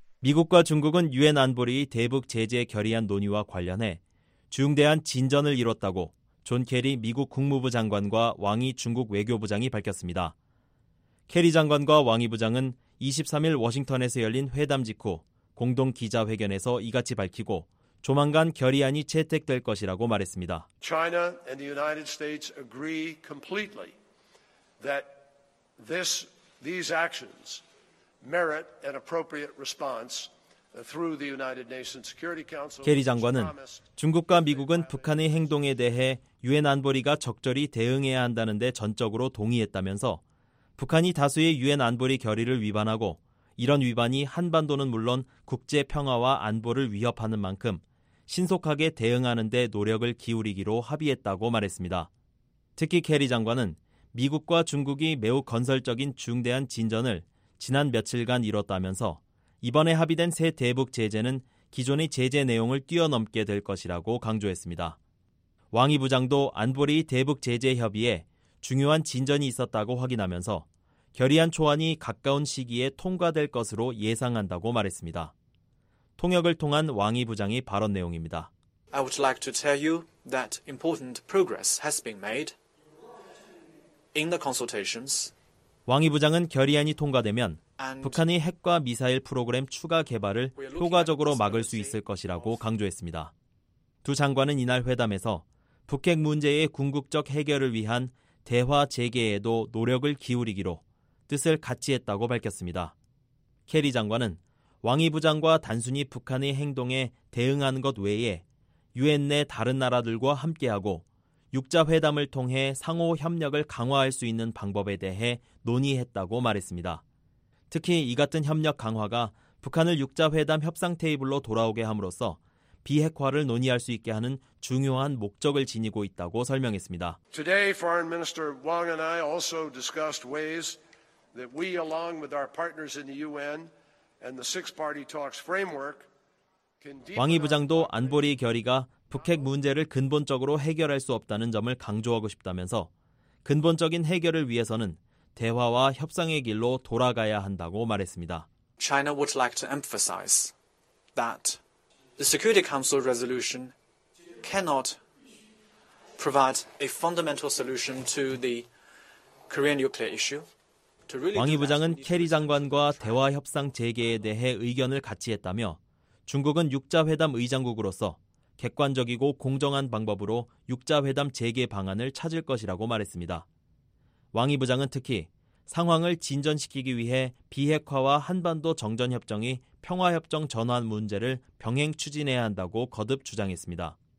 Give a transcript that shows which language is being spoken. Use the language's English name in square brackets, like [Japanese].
[Korean] 미국과 중국은 유엔 안보리 대북 제재 결의안 논의와 관련해 중대한 진전을 이뤘다고 존 케리 미국 국무부 장관과 왕이 중국 외교부장이 밝혔습니다. 케리 장관과 왕이 부장은 23일 워싱턴에서 열린 회담 직후 공동 기자회견에서 이같이 밝히고 조만간 결의안이 채택될 것이라고 말했습니다. [English] China and the United States agree completely that these actions merit an appropriate response through the United Nations Security Council. [Korean] 케리 장관은 중국과 미국은 북한의 행동에 대해 유엔 안보리가 적절히 대응해야 한다는 데 전적으로 동의했다면서 북한이 다수의 유엔 안보리 결의를 위반하고 이런 위반이 한반도는 물론 국제 평화와 안보를 위협하는 만큼 신속하게 대응하는 데 노력을 기울이기로 합의했다고 말했습니다. 특히 케리 장관은 미국과 중국이 매우 건설적인 중대한 진전을 지난 며칠간 이뤘다면서 이번에 합의된 새 대북 제재는 기존의 제재 내용을 뛰어넘게 될 것이라고 강조했습니다. 왕이 부장도 안보리 대북 제재 협의에 중요한 진전이 있었다고 확인하면서 결의안 초안이 가까운 시기에 통과될 것으로 예상한다고 말했습니다. 통역을 통한 왕이 부장의 발언 내용입니다. [English] I would like to tell you that important progress has been made in the consultations. [Korean] 왕이 부장은 결의안이 통과되면 북한의 핵과 미사일 프로그램 추가 개발을 효과적으로 막을 수 있을 것이라고 강조했습니다. 두 장관은 이날 회담에서 북핵 문제의 궁극적 해결을 위한 대화 재개에도 노력을 기울이기로 뜻을 같이 했다고 밝혔습니다. 케리 장관은 왕이 부장과 단순히 북한의 행동에 대응하는 것 외에 유엔 내 다른 나라들과 함께하고 6자회담을 통해 상호 협력을 강화할 수 있는 방법에 대해 논의했다고 말했습니다. 특히 이 같은 협력 강화가 북한을 6자회담 협상 테이블로 돌아오게 함으로써 비핵화를 논의할 수 있게 하는 중요한 목적을 지니고 있다고 설명했습니다. [English] Today, Foreign Minister Wang and I also discussed ways that we, along with our partners in the UN and the six-party talks framework, [Korean] 왕이 부장도 안보리 결의가 북핵 문제를 근본적으로 해결할 수 없다는 점을 강조하고 싶다면서 근본적인 해결을 위해서는 대화와 협상의 길로 돌아가야 한다고 말했습니다. [English] China would like to emphasize that the Security Council resolution cannot provide a fundamental solution to the Korean nuclear issue. [Korean] 왕이 부장은 케리 장관과 대화 협상 재개에 대해 의견을 같이 했다며 중국은 6자회담 의장국으로서 객관적이고 공정한 방법으로 6자회담 재개 방안을 찾을 것이라고 말했습니다. 왕이 부장은 특히 상황을 진전시키기 위해 비핵화와 한반도 정전협정이 평화협정 전환 문제를 병행 추진해야 한다고 거듭 주장했습니다.